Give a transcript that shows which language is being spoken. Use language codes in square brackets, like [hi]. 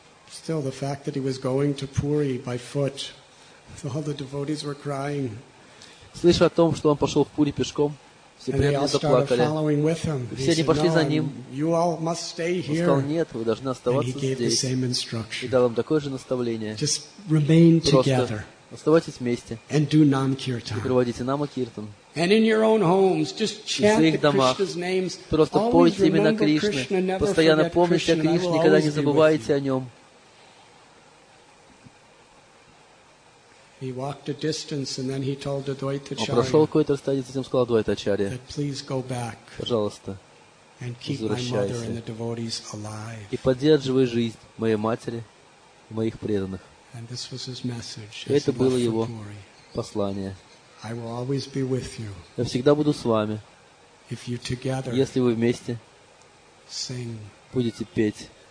[en] Still, the fact that he was going to Puri by foot. All the devotees were crying. [ru] Слыша о том, что он пошел в Пури пешком, все преданные заплакали. Все они пошли за ним. Он сказал, нет, вы должны оставаться здесь. И дал им такое же наставление. [en] Just remain together. [ru] Просто Оставайтесь вместе. [en] And do Namkirtan. [ru] И проводите Намакиртан. [en] And in your own homes, just chant Krishna's names. [ru] Просто пойте имена Кришны. Постоянно помните о Кришне, никогда не забывайте о нем. [en] He walked a distance and then he told Advaitacharya. [ru] Он прошел какое-то расстояние, затем сказал Адвайтачарья. [en] Please go back. [ru] Пожалуйста. [en] And keep my mother and the devotees alive. [ru] И поддерживай жизнь моей матери и моих преданных. [en] And this was his message. [ru] Это было его послание. [en] I will always be with you. [ru] Я всегда буду с вами. [en] If you together. [ru] Если вы вместе. [en] Sing. [ru] Будете петь.